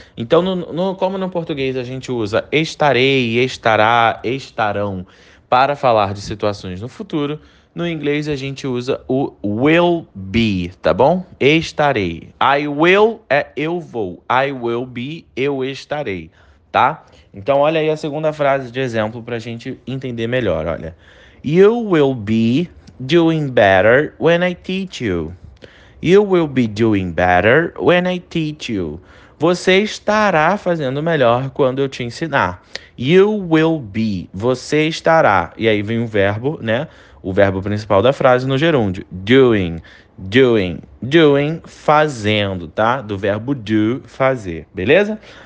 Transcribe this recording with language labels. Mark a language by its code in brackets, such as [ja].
[pt] Então, como no português a gente usa estarei, estará, estarão para falar de situações no futuro, no inglês a gente usa o will be, tá bom? Estarei. [en] I will [pt] é eu vou. [en] I will be, [pt] eu estarei, tá? Então, olha aí a segunda frase de exemplo para a gente entender melhor, olha. [en] You will be doing better when I teach you. You will be doing better when I teach you. [pt] Você estará fazendo melhor quando eu te ensinar. [en] You will be. [pt] Você estará. E aí vem o verbo, né? O verbo principal da frase no gerúndio. Doing. Doing. Doing. Fazendo, tá? Do verbo do, fazer. Beleza?